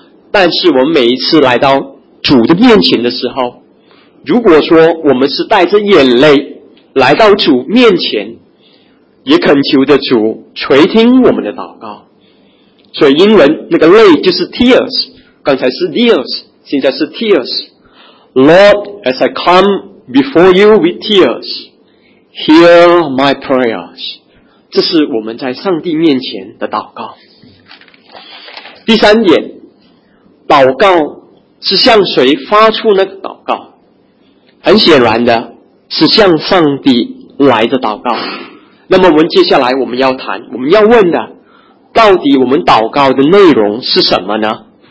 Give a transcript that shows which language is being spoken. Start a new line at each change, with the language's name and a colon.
Chinese: 但是我们每一次来到主的面前的时候，如果说我们是带着眼泪来到主面前，也恳求着主垂听我们的祷告。所以英文那个泪就是 tears， 刚才是 tears， 现在是 tears。
English: Lord, as I come before you with tears, hear my prayers。
Chinese: 这是我们在上帝面前的祷告。第三点，祷告是向谁发出那个祷告？很显然的是向上帝来的祷告。那么我们接下来我们要问的到底我们祷告的内容是什么呢？